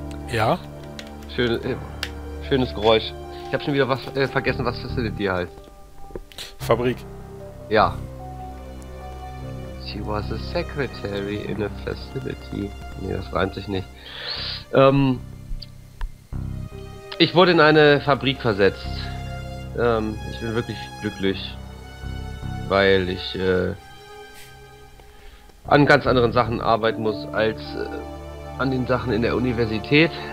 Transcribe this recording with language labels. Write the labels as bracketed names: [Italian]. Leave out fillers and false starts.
[German] Ja? Schönes Geräusch. Ich hab schon wieder vergessen, was Facility heißt. Fabrik. Ja. [English] She was a secretary in a facility. [German] Nee, das reimt sich nicht. Ich wurde in eine Fabrik versetzt. Ich bin wirklich glücklich, weil ich an ganz anderen Sachen arbeiten muss als an den Sachen in der Universität.